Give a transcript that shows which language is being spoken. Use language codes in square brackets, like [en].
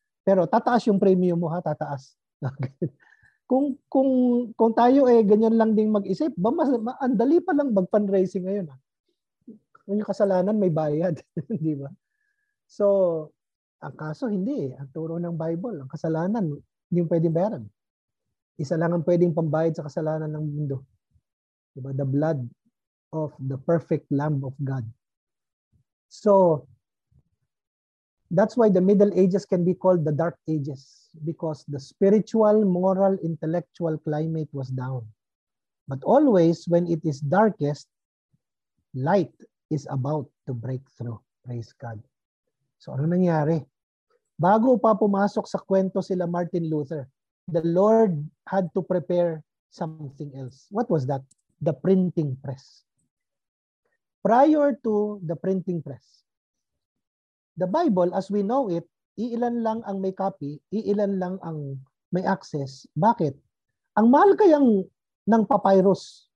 [tl] Pero tataas yung premium mo ha, tataas. kung tayo eh ganyan lang ding mag-isip, maandali pa lang mag-fundraising ngayon ha. Kung yung kasalanan may bayad, di ba? So, ang kaso hindi eh. Ang turo ng Bible, ang kasalanan, hindi yung pwedeng bayaran. Isa lang ang pwedeng pambayad sa kasalanan ng mundo. Diba? [en] The blood of the perfect Lamb of God. So, that's why the Middle Ages can be called the Dark Ages, because the spiritual, moral, intellectual climate was down. But always, when it is darkest, light is about to break through. Praise God. So, [tl] ano nangyari? Bago pa pumasok sa kwento sila [en] Martin Luther, the Lord had to prepare something else. What was that? The printing press. Prior to the printing press, the Bible as we know it, [tl] iilan lang ang may copy, iilan lang ang may access. Bakit? Ang mahal kayang ng papyrus.